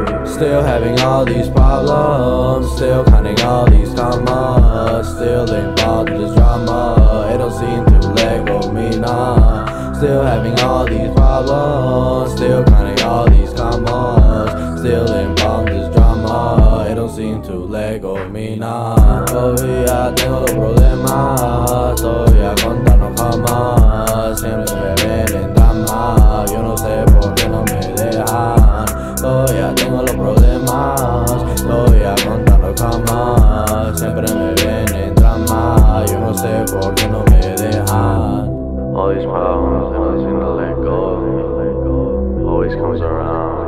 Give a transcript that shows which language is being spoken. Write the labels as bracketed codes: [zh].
[en] Still having all these problems, still counting all these commas, still involved in this drama, it don't seem to let go of me, nah. Still having all these problems, still counting all these commas, still involved in this drama, it don't seem to let go of me, nah. [es] Todavía tengo los problemas, todavía contando jamás, siempre me ven en drama, yo no sé por qué no me dejan. Todavía tengo los problemas, todavía contando jamás, siempre me ven en drama, yo no sé por qué no me dejan. [en] All these problems, they don't seem to let go, always comes around.